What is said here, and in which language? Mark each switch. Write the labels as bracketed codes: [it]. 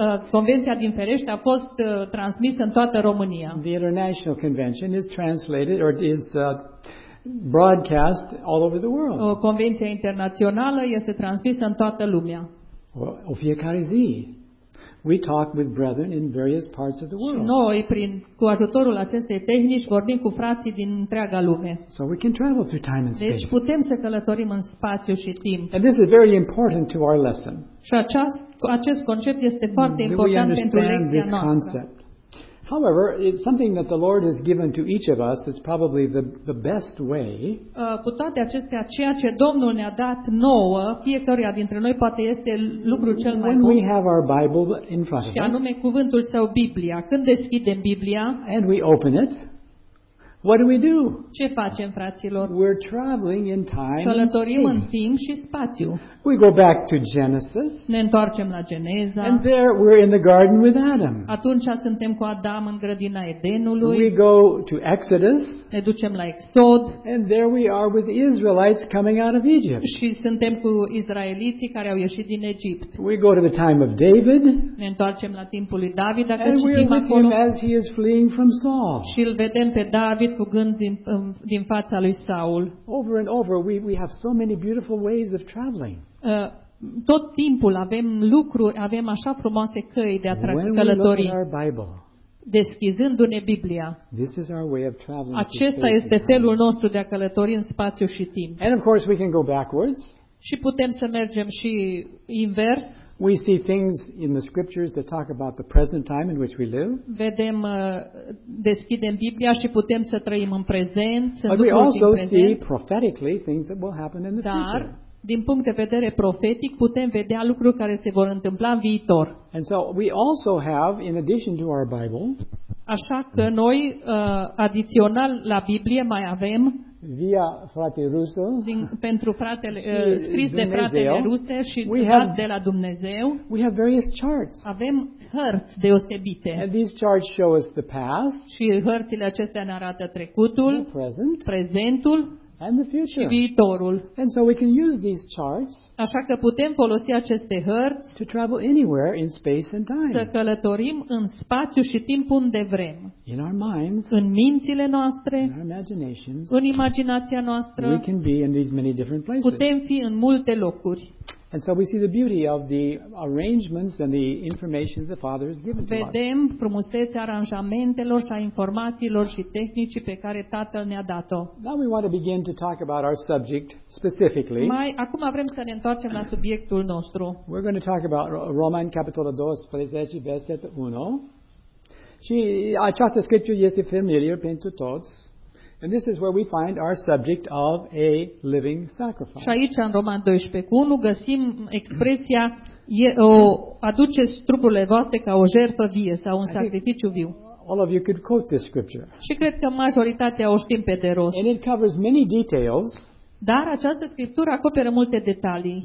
[ro] Convenția din Ferești a fost transmisă în toată România. [en] The international convention is translated or is broadcast all over the world. [ro] O convenție internațională este transmisă în toată lumea. O fiecare zi. [en] We talk with brethren in various parts of the world. [ro] Noi, prin cu ajutorul acestei tehnici, vorbim cu frații din întreaga lume. [en] So we can travel through time and space. [ro] Deci putem să călătorim în spațiu și timp. [en] And this is very important to our lesson. [ro] Și acest concept este foarte important pentru lecția noastră. [en] However, it's something that the Lord has given to each of us. It's probably the best way. [ro] Cu toate acestea, ceea ce Domnul ne-a dat nouă, fiecăruia dintre noi poate este lucrul cel mai bun. [en] When we have our Bible in front of us. [ro] Și anume cuvântul Său, Biblia. Când deschidem Biblia, [en] and we open it, what do we do? [ro] Ce facem, fraților? [en] We're traveling in time. [ro] Călătorim în timp și spațiu. [en] We go back to Genesis. [ro] Ne întoarcem la Geneza. [en] And there we're in the garden with Adam. [ro] Atunci suntem cu Adam în grădina Edenului. [en] We go to Exodus. [ro] Ne ducem la Exod. [en] And there we are with the Israelites coming out of Egypt. [ro] Și suntem cu izraeliții care au ieșit din Egipt. [en] We go to the time of David. [ro] Ne întoarcem la timpul lui David, dacă citim acolo. [en] And we're with him as he is fleeing from Saul. [ro] Și îl vedem pe David fugând din fața lui Saul. [en] Over and over we have so many beautiful ways of traveling. [ro] Tot timpul avem așa frumoase căi de a călători. Deschizându-ne Biblia. [en] This is our way of traveling. [ro] Acesta este felul nostru de a călători în spațiu și timp. [en] And of course we can go backwards. [ro] Și putem să mergem și invers. [en] We see things in the scriptures that talk about the present time in which we live. [ro] Vedem, deschidem Biblia și putem să trăim în prezent. [en] But we also see prophetically things that will happen in the future. [ro] Din punct de vedere profetic, putem vedea lucruri care se vor întâmpla în viitor. [en] And so we also have, in addition to our Bible, [ro] așa că noi, adițional la Biblie, mai avem via frate Rusu, pentru fratele scris de fratele Rusu și dat de la Dumnezeu. [en] We have various charts. [ro] Avem hărți deosebite. [en] And these charts show us the past. [ro] Și hărțile acestea ne arată trecutul, prezentul [en] and the future. [ro] Și viitorul. [en] And so we can use these charts. [ro] Așa că putem folosi aceste hărți [en] to travel anywhere in space and time. [ro] Să călătorim în spațiu și timp unde vrem. [en] In our minds. [ro] În mințile noastre. [en] In our imaginations. [ro] În imaginația noastră. [en] We can be in these many different places. [ro] Putem fi în multe locuri. [en] And so we see the beauty of the arrangements and the information the Father has given to us. [ro] Vedem frumusețea aranjamentelor și a informațiilor și tehnicii pe care Tatăl ne-a dat-o. [en] Now we want to begin to talk about our subject specifically. [ro] Mai acum vrem să ne întoarcem la subiectul nostru. [en] We're going to talk about [ro] Romani capitolul 12, versetul 1. Și această scriptură este familiară pentru toți. [en] And this is where we find our subject of a living sacrifice. [ro] Și aici în Roman 12:1 găsim expresia aduceți trupurile voastre ca o jertfă vie sau un sacrificiu viu. [en] All of you could quote this scripture. [ro] Și cred că majoritatea o știm pe de rost. [en] And it covers many details. [ro] Dar această scriptură acoperă multe detalii.